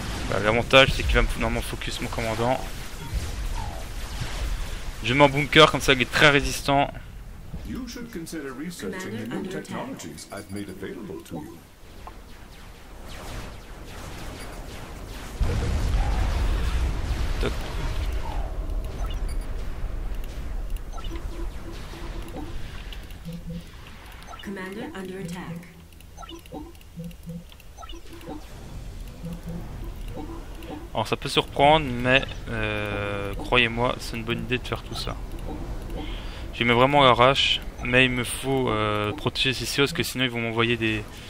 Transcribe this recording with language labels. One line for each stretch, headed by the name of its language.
French: Bah, l'avantage c'est qu'il va normalement focus mon commandant. Je mets en bunker comme ça il est très résistant.
English: You should consider researching the new technologies I've made available to you. Commander under attack.
French: Alors ça peut surprendre, mais croyez-moi, c'est une bonne idée de faire tout ça. J'y mets vraiment l'arrache, mais il me faut protéger ces CIO parce que sinon ils vont m'envoyer des...